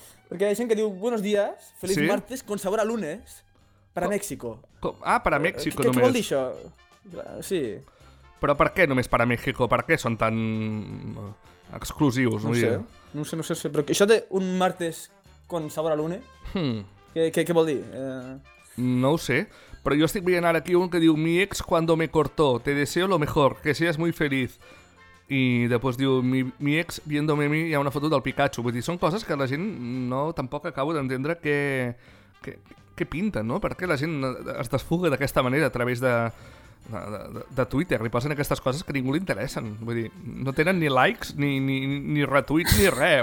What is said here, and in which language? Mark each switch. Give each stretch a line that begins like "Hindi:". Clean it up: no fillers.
Catalan: Perquè hi ha gent que diu,
Spanish: buenos días, feliz martes, con sabor a lunes, para México.
Catalan: Para México només. Què vol dir això? Sí. Però per què només para México? Per què són tan exclusius? No sé, però això de
Spanish: un martes con sabor a lunes,
Catalan: què vol dir? No ho sé, però jo estic veient ara aquí un que diu,
Spanish: mi ex cuando me cortó, te deseo lo mejor, que seas muy feliz.
Catalan: I després diu,
Spanish: mi ex viéndome a mi
Catalan: hi ha una foto del Pikachu. Vull dir, són coses que la gent no tampoc acabo d'entendre què pinten, no? Per què la gent es desfuga d'aquesta manera a través de Twitter? Li posen aquestes coses que ningú li interessen. Vull dir, no tenen ni likes, ni retuits, ni res.